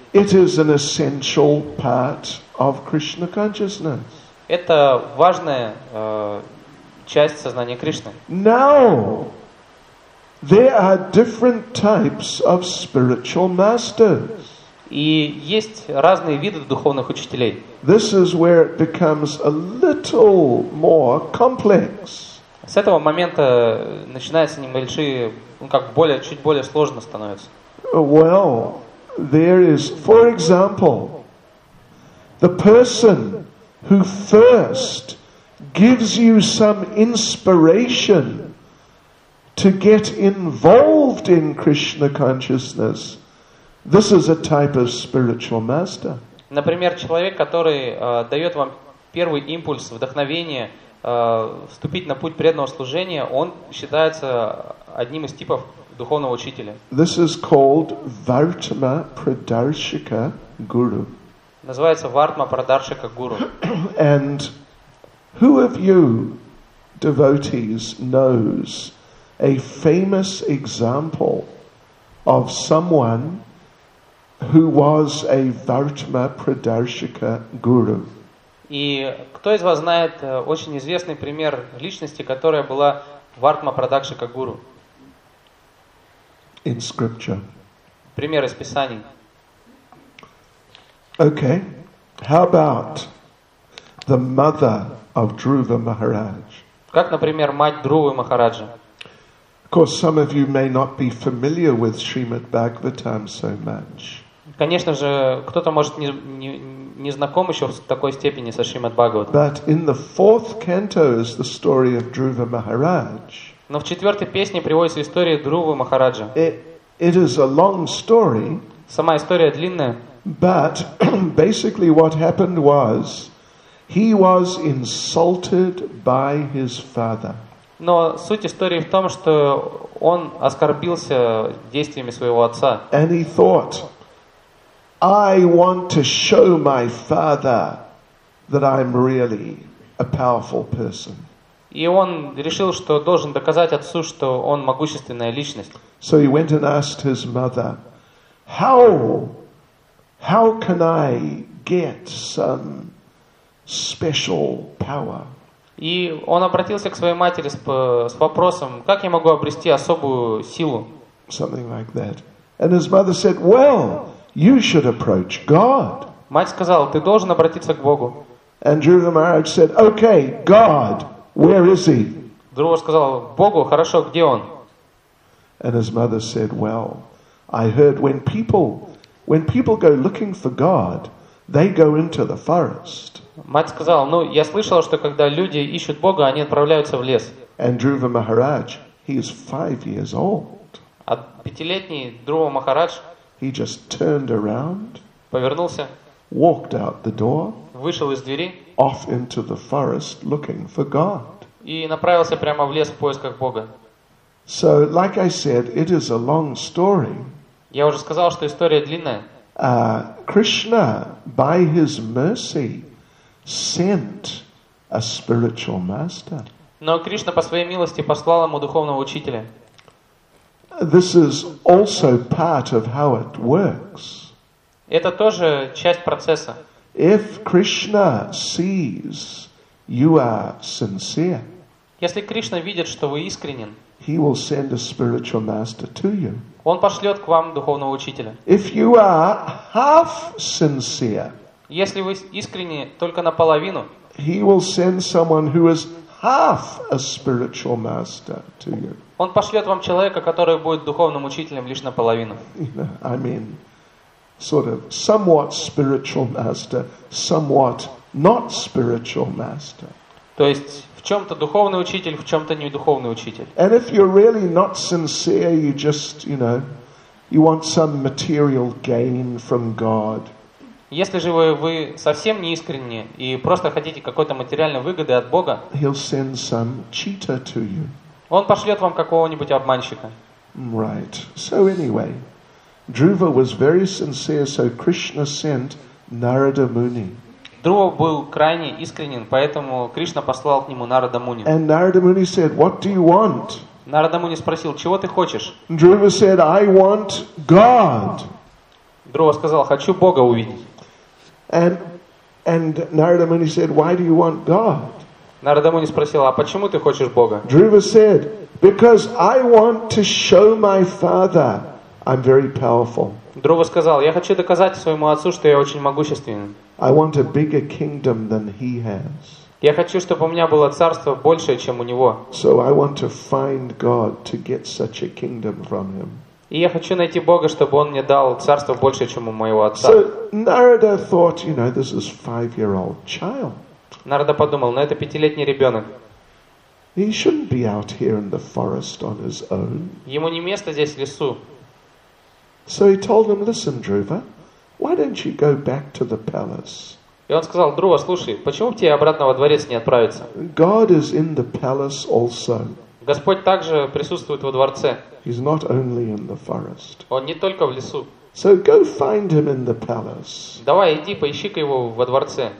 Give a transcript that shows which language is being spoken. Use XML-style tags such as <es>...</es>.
<en>It is an essential part of Krishna consciousness.</en> <ru>Это важная часть сознания Кришны.</ru> <en>Now, there are different types of spiritual masters.</en> <ru>И есть разные виды духовных учителей.</ru> <en>This is where it becomes a little more complex.</en> <ru>С этого момента начинаются небольшие, ну, как более, чуть более сложно становится.</ru> <en>Well, there is, for example, the person who first gives you some inspiration to get involved in Krishna consciousness, this is a type of spiritual master.</en> <ru>Например, человек, который дает вам первый импульс, вдохновение, вступить на путь преданного служения, он считается одним из типов духовного учителя.</ru> <en>This is called Vartma Pradarshika Guru.</en> <ru>Называется Вартма Прадаршика Гуру.</ru> <en>And who of you devotees knows a famous example of someone who was a Vartma Pradarshika Guru?</en> <ru>И кто из вас знает очень известный пример личности, которая была Вартма Прадакшика Гуру?</ru> <en>In scripture.</en> <ru>Пример из Писаний.</ru> <en>Okay. How about the mother of Dhruva Maharaj?</en> <ru>Как, например, мать Друвы Махараджа?</ru> <en>Of course, some of you may not be familiar with Srimad Bhagavatam so much.</en> <ru>Конечно же, кто-то может не знаком еще в такой степени со Шримад Бхагаватом. Но в четвертой песне приводится история Друвы Махараджа.</ru> <en>It is a long story.</en> <ru>Сама история длинная.</ru> <en>But basically what happened was he was insulted by his father.</en> <ru>Но суть истории в том, что он оскорбился действиями своего отца.</ru> <en>And he thought, I want to show my father that I'm really a powerful person.</en> <ru>И он решил, что должен доказать отцу, что он могущественная личность.</ru> <en>So he went and asked his mother, how can I get some special power?</en> <ru>И он обратился к своей матери с вопросом, как я могу обрести особую силу?</ru> <en>Something like that. And his mother said, well, you should approach God.</en> <ru>Мать сказала, ты должен обратиться к Богу.</ru> <en>And during the marriage said, okay, God, where is he?</en> <ru>Другой сказал, Богу, хорошо, где он?</ru> <en>And his mother said, well, I heard when people go looking for God, they go into the forest.</en> <ru>Мать сказала, ну, я слышала, что когда люди ищут Бога, они отправляются в лес.</ru> <en>And Dhruva Maharaj, he is 5 years old.</en> <ru>А пятилетний Друва Махарадж,</ru> <en>he just turned around,</en> <ru>повернулся,</ru> <en>walked out the door,</en> <ru>вышел из двери,</ru> <en>off into the forest looking for God.</en> <ru>И направился прямо в лес в поисках Бога.</ru> <en>So, like I said, it is a long story.</en> <ru>Я уже сказал, что история длинная.</ru> <en>Krishna, by his mercy, sent a spiritual master.</en> <ru>Но Кришна по своей милости послал ему духовного учителя.</ru> <en>This is also part of how it works.</en> <ru>Это тоже часть процесса.</ru> <en>If Krishna sees you are sincere,</en> <ru>если Кришна видит, что вы искренен,</ru> <en>he will send a spiritual master to you.</en> <ru>Он пошлет к вам духовного учителя.</ru> <en>If you are half sincere,</en> <ru>если вы искренне только наполовину,</ru> <en>he will send someone who is half a spiritual master to you.</en> <ru>Он пошлет вам человека, который будет духовным учителем лишь наполовину.</ru> <en>I mean, sort of somewhat spiritual master, somewhat not spiritual master.</en> <ru>То есть в чем-то духовный учитель, в чем-то не духовный учитель.</ru> <en>And if you're really not sincere, you just, you know, you want some material gain from God.</en> <ru>Если же вы совсем не искренне и просто хотите какой-то материальной выгоды от Бога,</ru> <en>he'll send some cheater to you.</en> <ru>Он пошлет вам какого-нибудь обманщика.</ru> <en>Right. So anyway, Dhruva was very sincere, so Krishna sent Narada Muni.</en> <ru>Dhruva был крайне искренен, поэтому Кришна послал к нему Narada Muni.</ru> <en>And Narada Muni said, "What do you want?"</en> <ru>Narada Muni спросил, чего ты хочешь?</ru> <en>Dhruva said, "I want God."</en> <ru>Dhruva сказал, хочу Бога увидеть.</ru> <en>And Narada Muni said, "Why do you want God?"</en> <ru>Narada Muni спросил, а почему ты хочешь Бога?</ru> <en>Dhruva said, "Because I want to show my father I'm very powerful."</en> <ru>Дрова сказал, я хочу доказать своему отцу, что я очень могущественен.</ru> <en>I want a bigger kingdom than he has.</en> <ru>Я хочу, чтобы у меня было царство большее, чем у него.</ru> <en>So I want to find God to get such a kingdom from him.</en> <ru>И я хочу найти Бога, чтобы он мне дал царство большее, чем у моего отца.</ru> <en>So Narada thought, you know, this is 5-year-old child.</en> <ru>Нарада подумал, но это пятилетний ребенок.</ru> <en>He shouldn't be out here in the forest on his own.</en> <ru>Ему не место здесь в лесу.</ru> <en>So he told him, "Listen, Dhruva, why don't you go back to the palace?"</en> <ru>И он сказал, Друва, слушай, почему бы тебе обратно во дворец не отправиться?</ru> <en>God is in the palace also.</en> <ru>Господь также присутствует во дворце.</ru> <en>He's not only in the forest.</en> <ru>Он не только в лесу.</ru> <en>So go find him in the palace.</en> <ru>Давай иди поищи-ка его во дворце.</ru>